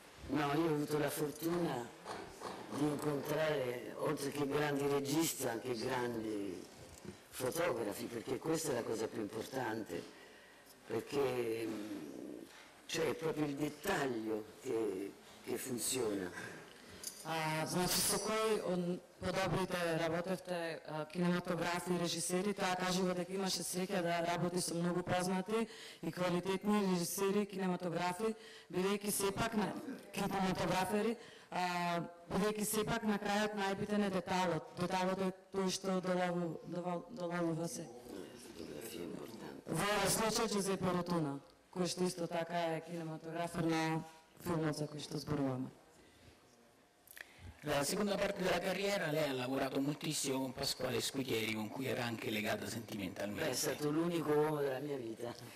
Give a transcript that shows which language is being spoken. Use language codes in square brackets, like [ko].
[it] Io ho avuto la fortuna di incontrare, oltre che grandi registi, anche grandi fotografi, perché questa è la cosa più importante, perché... Cioè, è proprio il dettaglio che funziona. [mk] Значи со кој од подобрите работевте кинематографи и режисери, тоа кажува дека имаше среќа да работи со многу познати и квалитетни режисери, кинематографи, бидејќи сепак на кинематографери, бидејќи сепак на крајот најбитен е деталот. Деталот е тој што долавува се. Во случај Джузепе Ротунно, кој што исто така е кинематографер на филмот за кој што зборуваме. [it] La seconda parte della carriera lei ha lavorato moltissimo con Pasquale Squiglieri, con cui era anche legata sentimentalmente. Beh, è stato l'unico uomo della mia vita.